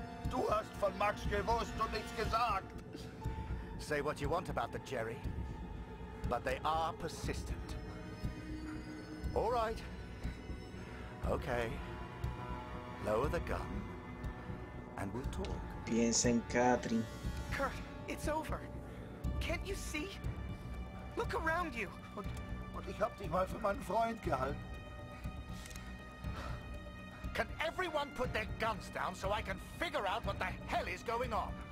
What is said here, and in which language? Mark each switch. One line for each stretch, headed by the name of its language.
German: Du hast von Max gewusst und nichts gesagt.
English: Say what you want about the Jerry, but they are persistent. All right. Okay. Lower the gun, and we'll talk.
Spanish: Piensa en Katrin.
English: Kurt, it's over. Can't you see? Look around you.
German: Und ich hab dich mal für meinen Freund gehalten.
English: Can everyone put their guns down so I can figure out what the hell is going on?